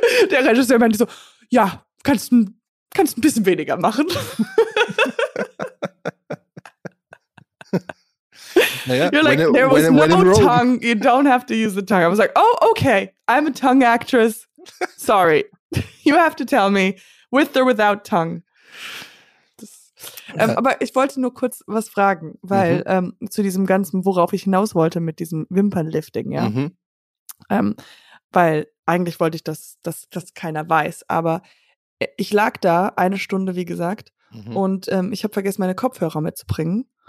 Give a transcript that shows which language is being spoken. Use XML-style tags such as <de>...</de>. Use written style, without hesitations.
<de>Der Regisseur meinte so, ja, kannst ein bisschen weniger machen. Naja,</de> <en>you're like, tongue, you don't have to use the tongue. I was like, oh, okay, I'm a tongue actress. Sorry, you have to tell me, with or without tongue.</en> <de>Aber ich wollte nur kurz was fragen, weil zu diesem Ganzen, worauf ich hinaus wollte mit diesem Wimpernlifting, ja. Mhm. Weil eigentlich wollte ich, dass keiner weiß, aber ich lag da eine Stunde, wie gesagt, und ich habe vergessen, meine Kopfhörer mitzubringen.</de>